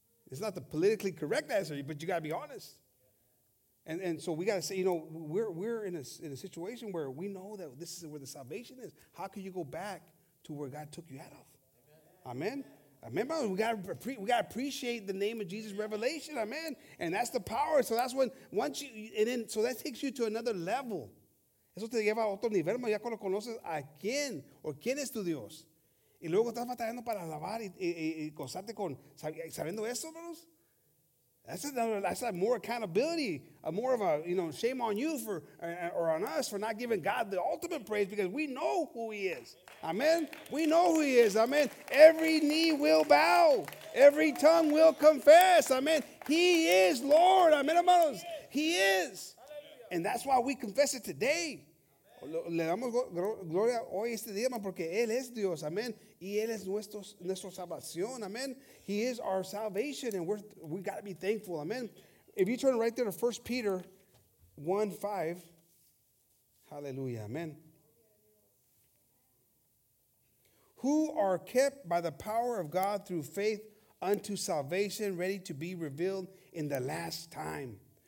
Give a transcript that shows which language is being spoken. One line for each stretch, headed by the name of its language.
English: It's not the politically correct answer, but you got to be honest. And so we got to say, you know, we're in a situation where we know that this is where the salvation is. How can you go back to where God took you out of? Amen. Remember, we gotta appreciate the name of Jesus' revelation, amen. And that's the power. So that's when once you and then so that takes you to another level.
Spanish: Eso te lleva a otro nivel, ya cuando conoces a quién o quién es tu Dios. Y luego estás batallando para alabar y gozarte con sabiendo eso, hermanos.
English: That's a more accountability, a more of a, you know, shame on you for or on us for not giving God the ultimate praise, because we know who he is. Amen. We know who he is. Amen. Every knee will bow. Every tongue will confess. Amen. He is Lord. Amen, hermanos. He is. And that's why we confess it today.
Spanish: Le damos gloria hoy este día, man, porque Él es Dios, amén. Y Él es nuestra salvación, amén.
English: He is our salvation, and we got to be thankful, amén. If you turn right there to 1 Peter 1, 5, hallelujah, amén. Who are kept by the power of God through faith unto salvation, ready to be revealed in the last time.